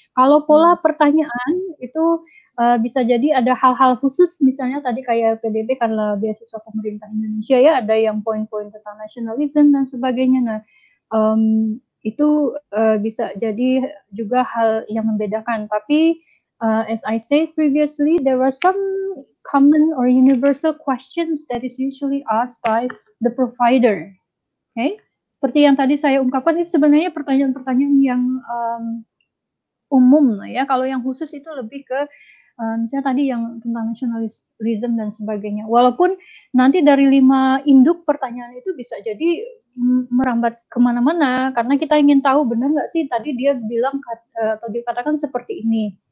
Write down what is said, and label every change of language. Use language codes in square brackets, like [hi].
[id] Kalau pola pertanyaan itu bisa jadi ada hal-hal khusus, misalnya tadi kayak LPDP karena beasiswa pemerintah Indonesia ya, ada yang poin-poin tentang nasionalisme dan sebagainya. Nah itu bisa jadi juga hal yang membedakan. [en] Tapi as I said previously, there are some common or universal questions that is usually asked by the provider. Okay? [id] Seperti yang tadi saya ungkapkan, itu sebenarnya pertanyaan-pertanyaan yang umum ya. Kalau yang khusus itu lebih ke misalnya tadi yang tentang nationalism dan sebagainya. Walaupun nanti dari 5 induk pertanyaan itu bisa jadi merambat kemana-mana, karena kita ingin tahu benar nggak sih tadi dia bilang atau dikatakan seperti ini.